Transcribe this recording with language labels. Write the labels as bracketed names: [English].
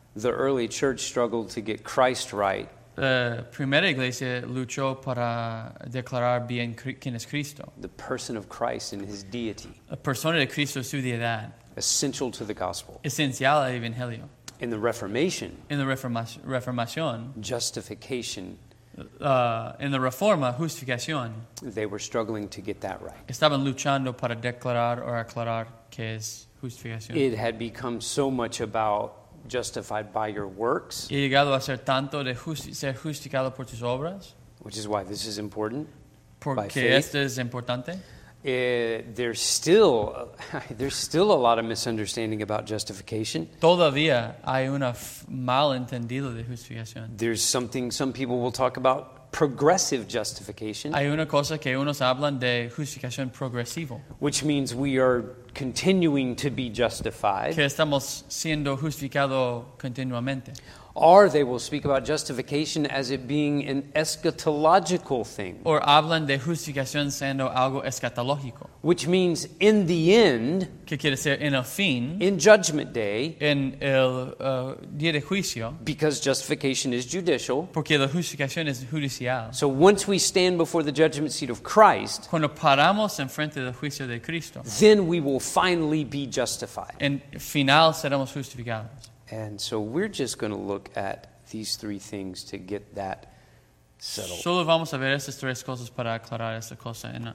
[English] The early church struggled to get Christ right. [Spanish] La primera iglesia luchó para declarar bien quién es Cristo. [English] The person of Christ and his deity. [Spanish] La persona de Cristo y su deidad. [English] Essential to the gospel. [Spanish] Esencial al evangelio. [English] In the Reformation. In the Reformación. Justification. [Spanish] In the Reforma, justificación. [English] They were struggling to get that right. [Spanish] Estaban luchando para declarar o aclarar qué es justificación. [English] It had become so much about justified by your works. [Spanish] He llegado a ser tanto de ser justificado por tus obras. [English] Which is why this is important. [Spanish] Porque esto es importante. [English] There's still a lot of misunderstanding about justification. [Spanish] Todavía hay una mal entendido de justificación. [English] There's something some people will talk about progressive justification. [Spanish] Hay una cosa que unos hablan de justificación progresivo. [English] Which means we are continuing to be justified. [Spanish] Que estamos siendo justificado continuamente. [English] Or they will speak about justification as it being an eschatological thing. [Spanish] Or hablan de justificación siendo algo escatológico. [English] Which means in the end. [Spanish] Que quiere decir en el fin. [English] In judgment day. [Spanish] En el día de juicio. [English] Because justification is judicial. [Spanish] Porque la justificación es judicial. [English] So once we stand before the judgment seat of Christ. [Spanish] Cuando paramos en frente del juicio de Cristo. [English] Then we will finally be justified. [Spanish] En final seremos justificados. [English] And so we're just going to look at these three things to get that settled. [Spanish] Solo vamos a ver estas tres cosas para aclarar esta cosa.